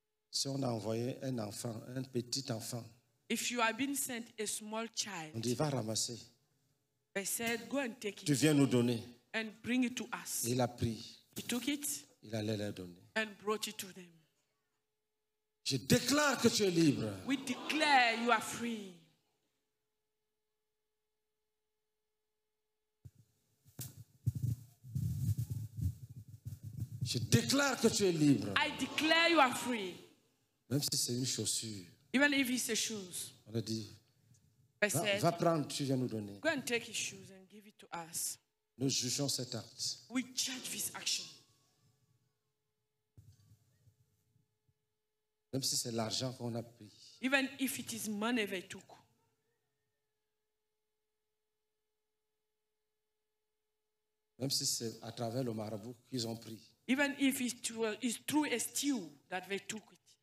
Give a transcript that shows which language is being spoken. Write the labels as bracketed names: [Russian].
[French] Si on a envoyé un enfant, un petit enfant. [English] If you have been sent a small child, [French] on dit, va ramasser. [English] They said, go and take it. [French] Tu viens nous donner. [English] And bring it to us. [French] Il a pris. [English] He took it. [French] Il allait leur donner. [English] And brought it to them. [French] Je déclare que tu es libre. [English] We declare you are free. [French] Je déclare que tu es libre. [English] I declare you are free. [French] Même si c'est une chaussure. [English] Even if it's a shoes. [French] On a dit, [English] said, [French] va prendre, tu viens nous donner. [English] Go and take his shoes and give it to us. [French] Nous jugeons cet acte. [English] We judge this action. [French] Même si c'est l'argent qu'on a pris. [English] Even if it is money they took. [French] Même si c'est à travers le marabout qu'ils ont pris. [English] Even if it is through a steel that they took it.